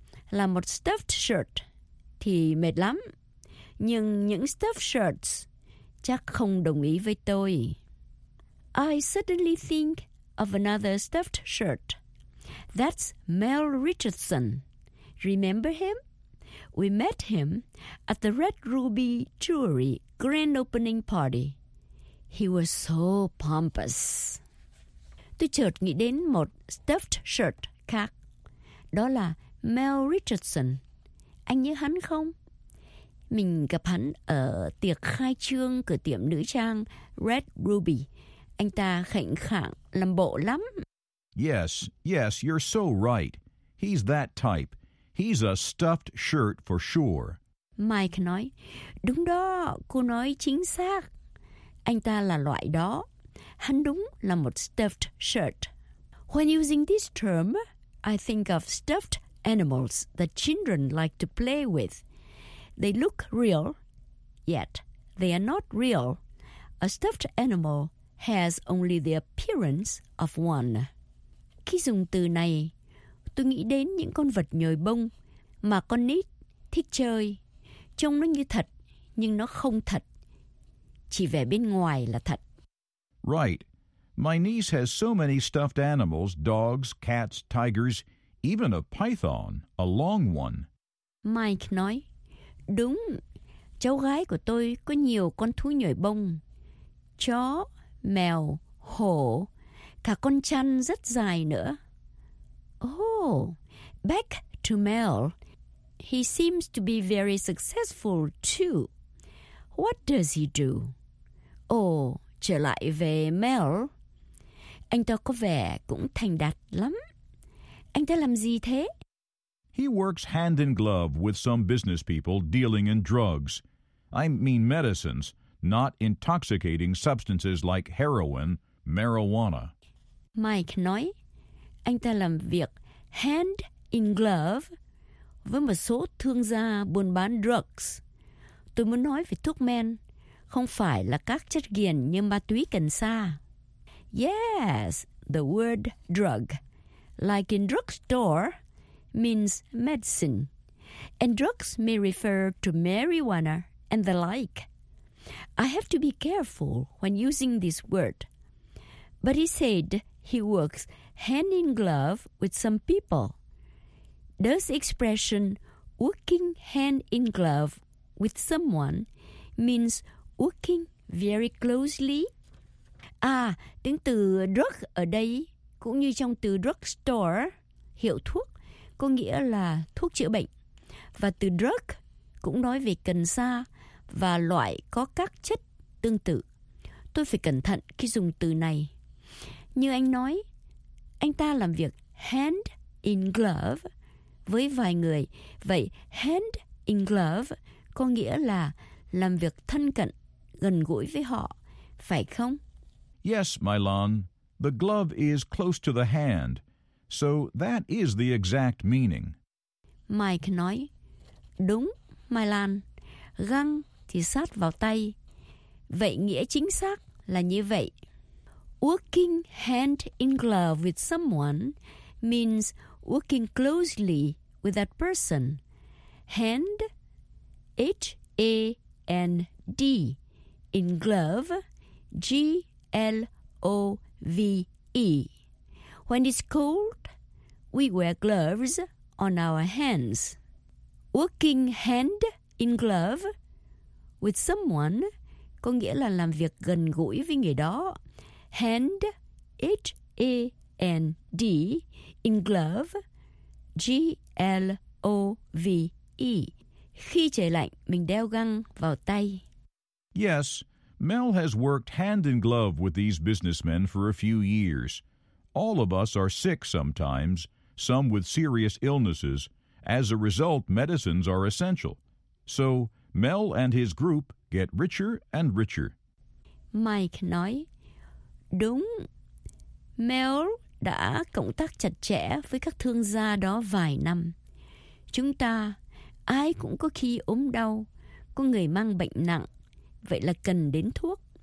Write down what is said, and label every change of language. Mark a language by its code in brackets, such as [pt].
[vi] Là một stuffed shirt thì mệt lắm. Nhưng những stuffed shirts chắc không đồng ý với tôi. [en] I suddenly think of another stuffed shirt. That's Mel Richardson. Remember him? We met him at the Red Ruby Jewelry grand opening party. He was so pompous. [vi] Tôi chợt nghĩ đến một stuffed shirt khác. Đó là Mel Richardson. Anh nhớ hắn không? Mình gặp hắn ở tiệc khai trương cửa tiệm nữ trang Red Ruby. Anh ta khệnh khạng, làm bộ lắm. [en] Yes, yes, you're so right. He's that type. He's a stuffed shirt for sure. [vi] Mike nói, đúng đó, cô nói chính xác. Anh ta là loại đó. Hắn đúng là một stuffed shirt. [en] When using this term, I think of stuffed animals that children like to play with. They look real, yet they are not real. A stuffed animal has only the appearance of one. [vi] Khi dùng từ này, tôi nghĩ đến những con vật nhồi bông mà con nít thích chơi. Trông nó như thật, nhưng nó không thật. Chỉ vẻ bên ngoài là thật. [en] Right. My niece has so many stuffed animals, dogs, cats, tigers, even a python, a long one. [vi] Mike nói, đúng, cháu gái của tôi có nhiều con thú nhồi bông. Chó, mèo, hổ, cả con chăn rất dài nữa. [en] Oh, back to Mel. He seems to be very successful too. What does he do? Oh, [vi] trở lại về Mel. Anh ta có vẻ cũng thành đạt lắm. Anh ta làm gì thế? [en] He works hand in glove with some business people dealing in drugs. I mean medicines, not intoxicating substances like heroin, marijuana. [vi] Mike nói, anh ta làm việc hand in glove với một số thương gia buôn bán drugs. Tôi muốn nói về thuốc men, không phải là các chất nghiện như ma túy cần sa. [en] Yes, the word drug, like in drugstore, means medicine. And drugs may refer to marijuana and the like. I have to be careful when using this word. But he said he works hand in glove with some people. Does expression working hand in glove with someone means working very closely. [vi] À, tiếng từ drug ở đây cũng như trong từ drugstore, hiệu thuốc, có nghĩa là thuốc chữa bệnh. Và từ drug cũng nói về cần sa và loại có các chất tương tự. Tôi phải cẩn thận khi dùng từ này. Như anh nói, anh ta làm việc hand in glove với vài người. Vậy hand in glove có nghĩa là làm việc thân cận, gần gũi với họ, phải không? [en] Yes, Mylon. The glove is close to the hand. So that is the exact meaning. [vi] Mike nói, đúng, Mylon. Găng thì sát vào tay. Vậy nghĩa chính xác là như vậy. [en] Working hand in glove with someone means working closely with that person. Hand, H-A-N-D, in glove, G-L-O-V-E. When it's cold, we wear gloves on our hands. Working hand in glove with someone [vi] có nghĩa là làm việc gần gũi với người đó. [en] Hand, H-A-N-D, in glove, G-L-O-V-E. [vi] Khi trời lạnh, mình đeo găng vào tay. [en] Yes, Mel has worked hand in glove with these businessmen for a few years. All of us are sick sometimes, some with serious illnesses. As a result, medicines are essential. So, Mel and his group get richer and richer. [vi] Mike nói, đúng, Mel đã cộng tác chặt chẽ với các thương gia đó vài năm. Chúng ta, ai cũng có khi ốm đau, có người mang bệnh nặng, vậy là cần đến thuốc.